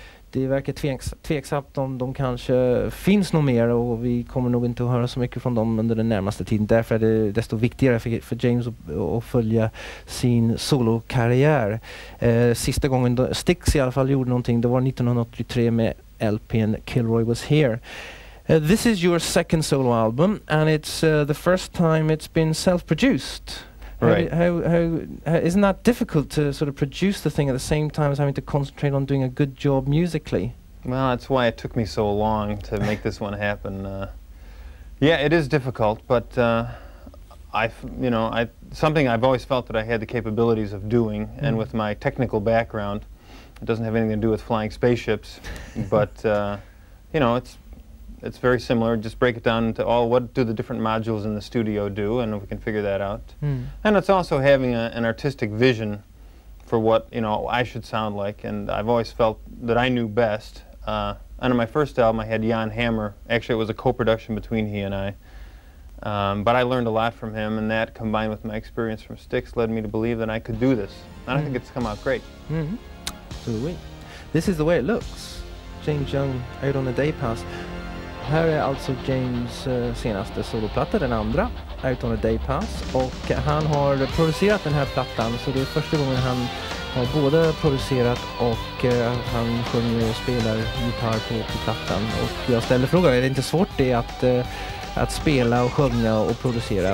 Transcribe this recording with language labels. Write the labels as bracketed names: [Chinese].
[Swedish] Det verkar tveksamt om de kanske finns nog mer, och vi kommer nog inte att höra så mycket från dem under den närmaste tiden. Därför är det desto viktigare för James att följa sin solokarriär. Sista gången Styx i alla fall gjorde någonting, det var 1983 med LP:n Kilroy Was Here. [English] This is your second solo album, and it's the first time it's been self-produced. Right. How isn't that difficult to sort of produce the thing at the same time as having to concentrate on doing a good job musically? Well, that's why it took me so long to make this one happen. Yeah, it is difficult, but something I've always felt that I had the capabilities of doing, and with my technical background, it doesn't have anything to do with flying spaceships, but, you know, it's very similar. Just break it down into all what do the different modules in the studio do, and we can figure that out. Mm. And it's also having an artistic vision for what, you know, I should sound like. And I've always felt that I knew best. And on my first album, I had Jan Hammer. Actually, it was a co-production between he and I. But I learned a lot from him, and that combined with my experience from Styx led me to believe that I could do this. And I think it's come out great. Mm-hmm. So, this is the way it looks. James Young out on the day pass. [Swedish] Här är alltså James senaste soloplatta, den andra, Out on a Day Pass. Och han har producerat den här plattan, så det är första gången han har både producerat och han sjunger och spelar gitarr på plattan. Och jag ställer frågan, är det inte svårt det att spela och sjunga och producera?